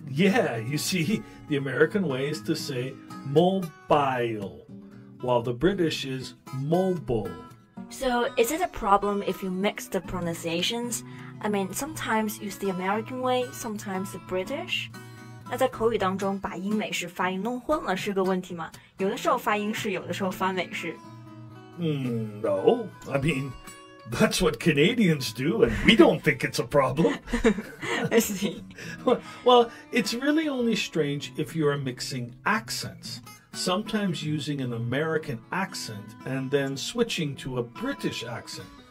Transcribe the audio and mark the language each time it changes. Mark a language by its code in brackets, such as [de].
[en] Yeah, you see, the American way is to say mobile, while the British is mobile. So is it a problem if you mix the pronunciations? I mean, sometimes use the American way, sometimes the British? [zh] 那在口语当中把英美式发音弄混了是个问题吗？有的时候发英式，有的时候发美式。 [en] No, I mean, that's what Canadians do, and we don't think it's a problem. I see. Well, it's really only strange if you are mixing accents, sometimes using an American accent and then switching to a British accent.